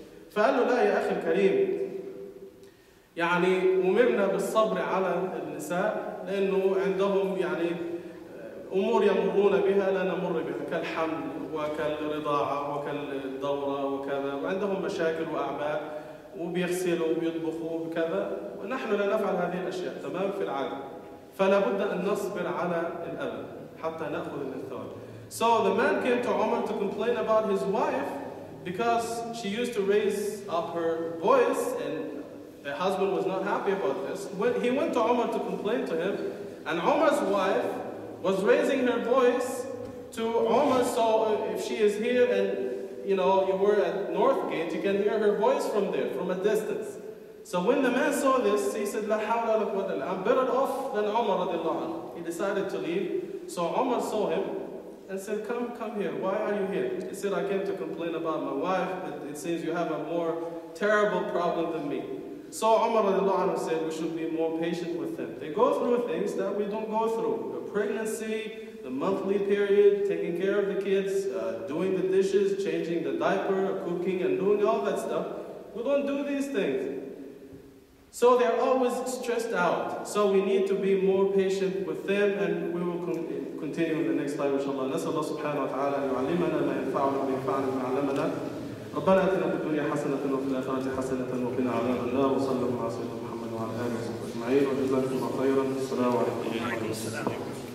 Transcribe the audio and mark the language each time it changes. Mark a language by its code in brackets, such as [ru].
[ar] فقال له لا يا أخي الكريم, يعني أمرنا بالصبر على النساء لأنه عندهم يعني أمور يمرون بها لا نمر بها, كالحمل وكالرضاعة وكالدورة وكذا, وعندهم مشاكل وأعباء وبيغسلوا وبيطبخوا وكذا, ونحن لا نفعل هذه الأشياء تمام في العادة, فلا بد أن نصبر على الأذى حتى نأخذ الثواب. [en] So the man came to Umar to complain about his wife because she used to raise up her voice and the husband was not happy about this. When he went to Umar to complain to him, and Umar's wife was raising her voice to Umar, so if she is here and you know you were at North Gate, you can hear her voice from there, from a distance. So when the man saw this, he said, [ar] "La hawla la quwwata illa." [en] I'm better off than Umar radiallahu anhu. He decided to leave. So Umar saw him and said, Come here. Why are you here?" He said, "I came to complain about my wife, but it seems you have a more terrible problem than me." So Umar radiallahu anhu said, "We should be more patient with them. They go through things that we don't go through. Pregnancy, the monthly period, taking care of the kids, doing the dishes, changing the diaper, cooking and doing all that stuff. We don't do these things. So they're always stressed out. So we need to be more patient with them, and we will continue in the next time, inshallah. [ar] نسأل الله سبحانه وتعالى أن يعلمنا ما ينفعنا وما ينفعنا ما علمنا. ربنا آتنا في الدنيا حسنة وفي الآخرة حسنة وقنا عذاب النار وصلى الله على سيدنا محمد وعلى آله وصحبه أجمعين وجزاكم الله خيرا. السلام عليكم ورحمة الله وبركاته.